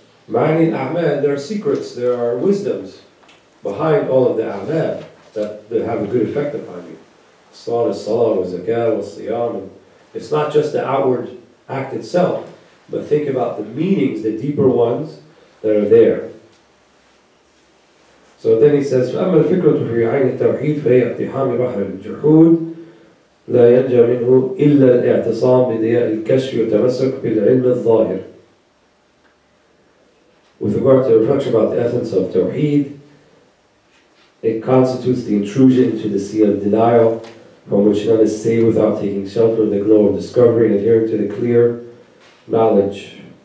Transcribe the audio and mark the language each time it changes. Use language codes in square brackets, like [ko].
[ar] مَعَانِ الْأَعْمَالِ, [en] there are secrets, there are wisdoms behind all of the a'mal that have a good effect upon you. Salah, zakah, siyam. It's not just the outward act itself, but think about the meanings, the deeper ones that are there. So then he says, [ar] فَأَمَّا الْفِكْرَةُ فِي عَيْنِ التَّوْحِيدِ فَهِيَ اقْتِحَامِ بَحْرِ الْجُحُودِ لَا يَنْجَى مِنْهُ إِلَّا الْاِعْتِصَامِ بِدِيَاءِ الْكَشْفِ وَتَمَسَّكُ بِالْعِلْمِ الظَّاهِرِ. [en] With regard to reflection about the essence of Tawheed, it constitutes the intrusion into the sea of denial, from which none is saved without taking shelter in the glow of discovery and adhering to the clear knowledge.